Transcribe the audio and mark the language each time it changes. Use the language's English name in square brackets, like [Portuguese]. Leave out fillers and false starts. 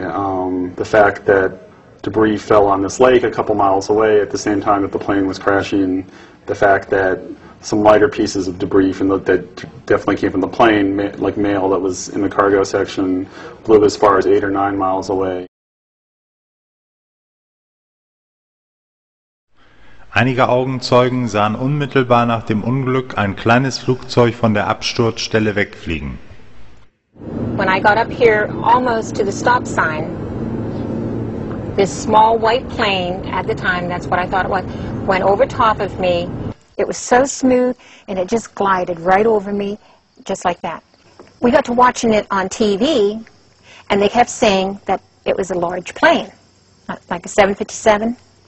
[English] The fact that debris fell on this lake a couple miles away at the same time that the plane was crashing, the fact that some lighter pieces of debris from the, that definitely came from the plane, like mail that was in the cargo section, blew as far as 8 or 9 miles away. [German] Einige Augenzeugen sahen unmittelbar nach dem Unglück ein kleines Flugzeug von der Absturzstelle wegfliegen. [English] When I got up here almost to the stop sign, this small white plane at the time, that's what I thought it was, went over top of me. It was so smooth and it just glided right over me just like that. We got to watching it on TV and they kept saying that it was a large plane, like a 757.